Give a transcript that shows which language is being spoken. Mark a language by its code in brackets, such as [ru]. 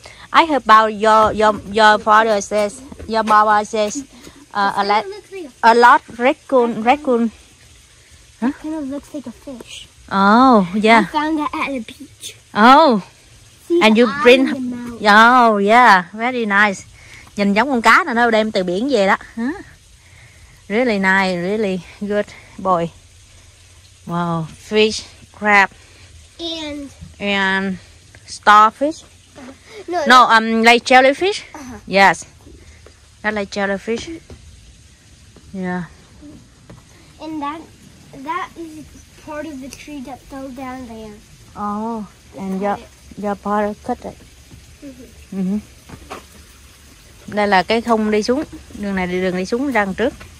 [en] I heard about your father says, your mama says, a lot raccoon. It kind of looks like a fish. Oh, yeah. I found that at the beach. Oh. See, and you bring. Oh, yeah. Very nice. [vi] Nhìn giống con cá nào nó đem từ biển về đó. [en] Really nice. Really good boy. Wow. Fish, crab. And starfish. No, like jellyfish. Yes, that like jellyfish. Yeah. And that is part of the tree that fell down there. Oh, and your father cut it. [vi] Đây là cái khung đi xuống. Đường này là đường đi xuống ra đằng trước.